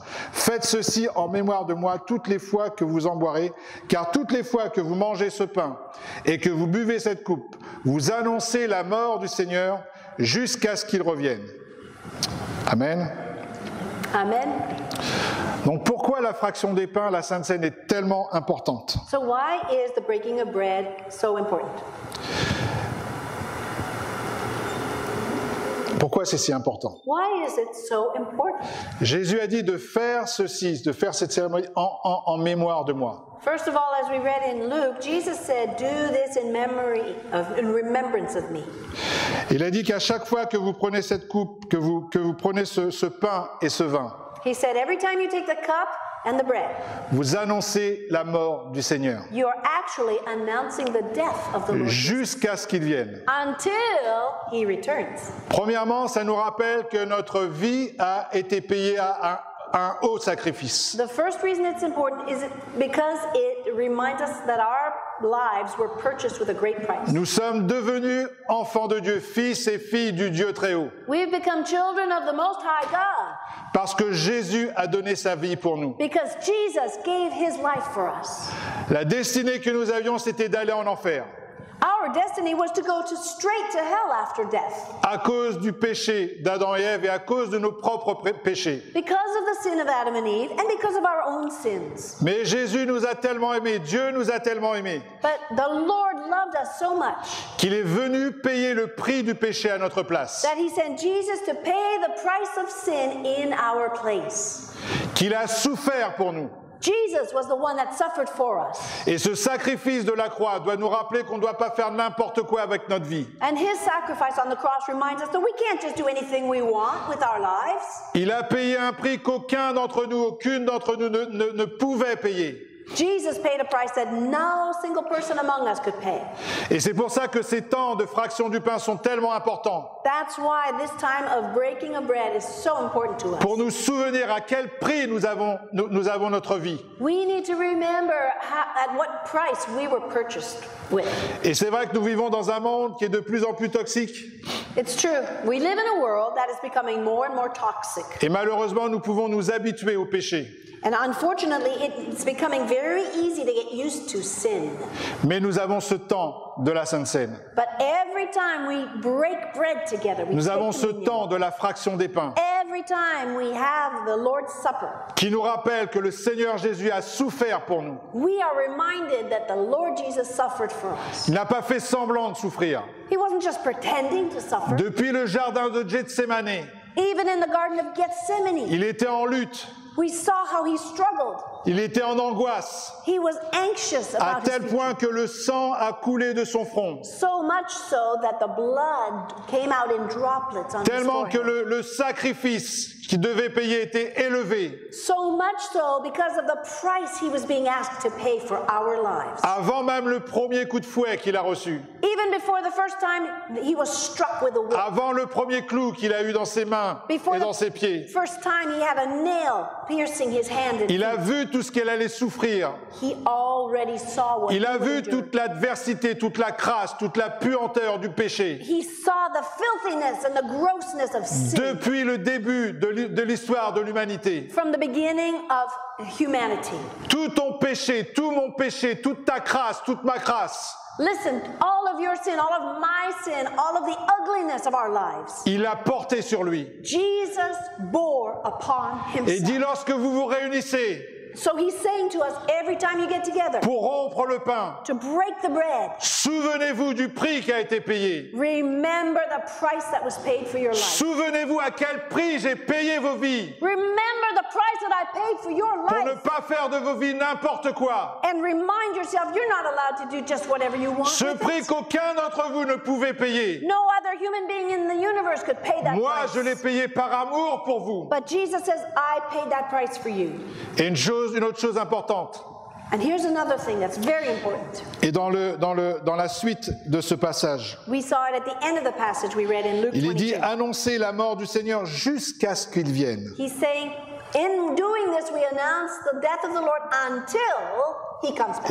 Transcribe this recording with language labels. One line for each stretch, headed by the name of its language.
French: Faites ceci en mémoire de moi toutes les fois que vous en boirez, car toutes les fois que vous mangez ce pain et que vous buvez cette coupe, vous annoncez la mort du Seigneur jusqu'à ce qu'il revienne. Amen. Amen. Donc pourquoi la fraction des pains, la Sainte Cène, est tellement importante?
English: So why is the breaking of bread so important?
French: Pourquoi c'est si important?
English: Why is it so important?
French: Jésus a dit de faire ceci, de faire cette cérémonie en mémoire de moi.
English: First of all, as we read in Luke, Jesus said, "Do this in memory of, in remembrance of me."
French: Il a dit qu'à chaque fois que vous prenez cette coupe, que vous prenez ce pain et ce vin.
English: He said, "Every time you take the cup and the bread."
French: Vous annoncez la mort du Seigneur.
English: You are actually announcing the death of the Lord.
French: Jusqu'à ce qu'il vienne.
English: Until he returns.
French: Premièrement, ça nous rappelle que notre vie a été payée à un haut sacrifice.
English: The first reason it's important is because it reminds us that our lives were purchased with a great price.
French: Nous sommes devenus enfants de Dieu, fils et filles du Dieu très haut.
English: We've become children of the Most High God.
French: Parce que Jésus a donné sa vie pour nous.
English: Because Jesus gave his life for us.
French: La destinée que nous avions, c'était d'aller en enfer.
English: Our destiny was to go straight to hell after death.
French: À cause du péché d'Adam et Ève et à cause de nos propres péchés.
English: Because of the sin of Adam and Eve and because of our own sins.
French: Mais Jésus nous a tellement aimés, Dieu nous a tellement aimés.
English: But the Lord loved us so much.
French: Qu'il est venu payer le prix du péché à notre place.
English: That he sent Jesus to pay the price of sin in our place.
French: Qu'il a souffert pour nous.
English: Jesus was the one that suffered for us.
French: Et ce sacrifice de la croix doit nous rappeler qu'on ne doit pas faire n'importe quoi avec notre vie.
English: And his sacrifice on the cross reminds us that we can't just do anything we want with our lives.
French: Il a payé un prix qu'aucun d'entre nous, aucune d'entre nous ne pouvait payer.
English: Jesus paid a price that no single person among us could pay.
French: Et c'est pour ça que ces temps de fraction du pain sont tellement importants.
English: That's why this time of breaking of bread is so important to us.
French: Pour nous souvenir à quel prix nous avons notre vie.
English: We need to remember at what price we were purchased with.
French: Et c'est vrai que nous vivons dans un monde qui est de plus en plus toxique.
English: It's true. We live in a world that is becoming more and more toxic.
French: Et malheureusement, nous pouvons nous habituer au péché.
English: And unfortunately, it's becoming very easy to get used to sin.
French: Mais nous avons ce temps de la Sainte Cène.
English: But every time we break bread together, we
French: nous avons ce temps de la fraction des pains.
English: Every time we have the Lord's Supper.
French: Qui nous rappelle que le Seigneur Jésus a souffert pour nous.
English: We are reminded that the Lord Jesus suffered for us.
French: Il n'a pas fait semblant de souffrir.
English: He wasn't just pretending to suffer.
French: Depuis le jardin de Gethsémané.
English: Even in the Garden of Gethsemane.
French: Il était en lutte.
English: We saw how he struggled.
French: Il était en angoisse.
English: He was anxious about
French: à tel point que le sang a coulé de son front.
English: So much so that the blood came out in droplets on
French: tellement
English: his forehead.
French: Que le sacrifice qu'il devait payer était élevé.
English: So much so because of the price he was being asked to pay for our lives.
French: Avant même le premier coup de fouet qu'il a reçu.
English: Even before the first time he was struck with a whip.
French: Avant le premier clou qu'il a eu dans ses mains
English: before
French: et dans ses pieds.
English: The first time he had a nail piercing his hand and
French: il a vu tout ce qu'elle allait souffrir.
English: He already saw what
French: il a vu toute l'adversité, toute la crasse, toute la puanteur du péché.
English: He saw the filthiness and the grossness of sin.
French: Depuis le début de l'histoire de l'humanité.
English: From the beginning of humanity.
French: Tout ton péché, tout mon péché, toute ta crasse, toute ma crasse.
English: Listen, all of your sin, all of my sin, all of the ugliness of our lives.
French: Il a porté sur lui.
English: Jesus bore upon himself.
French: Et dit lorsque vous vous réunissez.
English: So he's saying to us every time you get together.
French: Pour rompre le pain.
English: To break the bread.
French: Souvenez-vous du prix qui a été payé.
English: Remember the price that was paid for your life.
French: Souvenez-vous à quel prix j'ai payé vos vies.
English: Remember the price that I paid for your life.
French: Pour ne pas faire de vos vies n'importe quoi.
English: And remind yourself you're not allowed to do just whatever you want.
French: Ce prix qu'aucun d'entre vous ne pouvait payer.
English: No other human being in the universe could pay that
French: moi,
English: price.
French: Moi, je l'ai payé par amour pour vous.
English: But Jesus says I paid that price for you.
French: Une autre chose importante.
English: And here's another thing that's very important.
French: Et dans la suite de ce passage,
English: we saw it at the end of the passage we read in Luke 22.
French: Il est dit annoncer la mort du Seigneur jusqu'à ce qu'il vienne.
English: He's saying, in doing this, we announce the death of the Lord until he comes back.